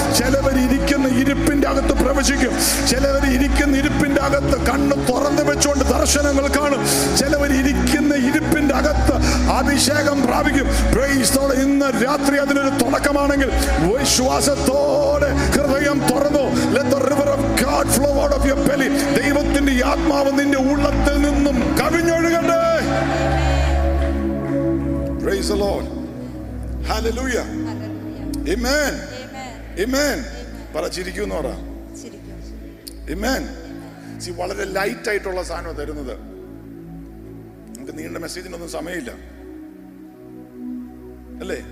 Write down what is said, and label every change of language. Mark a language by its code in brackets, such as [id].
[ml] ചിലവർ ഇരിക്കുന്ന ഇരിപ്പിന്റെ അകത്ത് പ്രവചിക്കും, ചിലവർ ഇരിക്കുന്ന ഇരിപ്പിന്റെ അകത്ത് കണ്ണ് തുറന്നു വെച്ചുകൊണ്ട് ദർശനങ്ങൾ കാണും, ചിലവർ ഇരിക്കുന്ന ഇരിപ്പിന്റെ അകത്ത് അഭിഷേകം പ്രാപിക്കും. [en] Praise the Lord. [ml] ഇന്ന് രാത്രി അതിനൊരു തുടക്കമാണെങ്കിൽ വിശ്വാസത്തോടെ ഹൃദയം തുറന്നോ. [en] Let the river of God flow out of your belly. [ml] ദൈവത്തിന്റെ ആത്മാവ് നിന്റെ ഉള്ളത്തിൽ നിന്നും കവിഞ്ഞൊഴുകട്ടെ. [en] Praise the Lord. Hallelujah. Amen. Amen. പറച്ചിരിക്കുന്നോറ [ml] ചിരിക്കും. [en] Amen. [ml] See, വളരെ ലൈറ്റ് ആയിട്ടുള്ള സാധനം തരുന്നത്. നമുക്ക് നീണ്ട മെസ്സേജിനൊന്നും സമയമില്ല അല്ലേ.